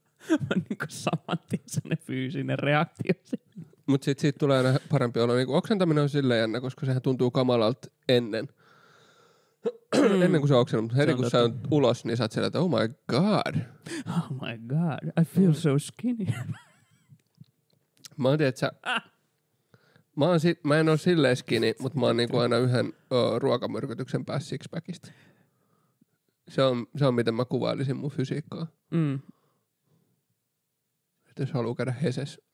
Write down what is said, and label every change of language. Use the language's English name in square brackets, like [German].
[Finnish] Mä niinku samantien sellainen fyysinen reaktio. Mut sit siitä tulee aina parempi olla. Niinku oksentaminen on silleen jännä, koska sehän tuntuu kamalalta ennen. Ennen kuin se on oksennut. Mut heti kun sä oot ulos, niin sä oot sieltä, että [English] oh my god. Oh my god, I feel so skinny. [Finnish] Mä oon tiiä, mä en oo silleen skinny, mut mä oon niinku aina yhden ruokamyrkytyksen päässä sixpackista. Se on miten mä kuvailisin mun fysiikkaa. Jos haluu käydä heses.